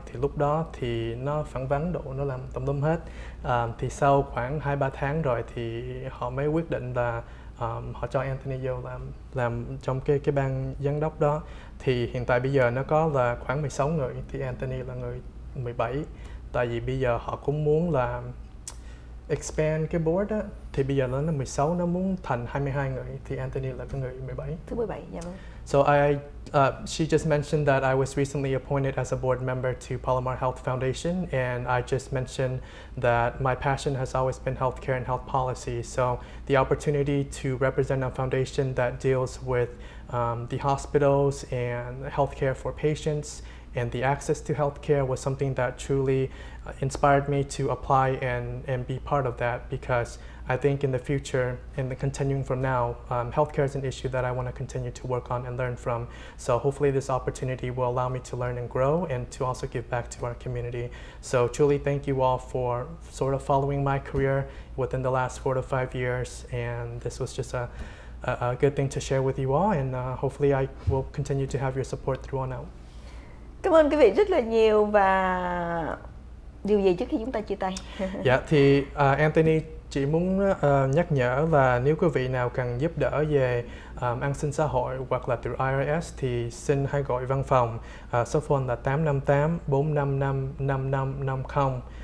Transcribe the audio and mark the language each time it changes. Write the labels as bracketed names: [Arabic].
[Vietnamese] Thì lúc đó thì nó phẳng vắng độ, nó làm tùm lum hết. Thì sau khoảng 2-3 tháng rồi thì họ mới quyết định là họ cho Anthony vô làm trong cái ban giám đốc đó. Thì hiện tại bây giờ nó có là khoảng 16 người, thì Anthony là người 17. Tại vì bây giờ họ cũng muốn là expand cái board đó, thì bây giờ nó 16, nó muốn thành 22 người, thì Anthony là cái người 17. Thứ 17, dạ vâng. [English] So she just mentioned that I was recently appointed as a board member to Palomar Health Foundation, and I just mentioned that my passion has always been healthcare and health policy. So the opportunity to represent a foundation that deals with the hospitals and healthcare for patients and the access to healthcare was something that truly inspired me to apply and be part of that, because I think in the future, in the continuing from now, healthcare is an issue that I want to continue to work on and learn from. So hopefully this opportunity will allow me to learn and grow and to also give back to our community. So truly thank you all for sort of following my career within the last 4 to 5 years. And this was just a good thing to share with you all. And hopefully I will continue to have your support through on out. [Vietnamese] Cảm ơn quý vị rất là nhiều. Và điều gì trước khi chúng ta chia tay? Dạ, thì Anthony chỉ muốn nhắc nhở là nếu quý vị nào cần giúp đỡ về an sinh xã hội hoặc là [English] through IRS [Vietnamese] thì xin hãy gọi văn phòng, số phone là 858-455-5550.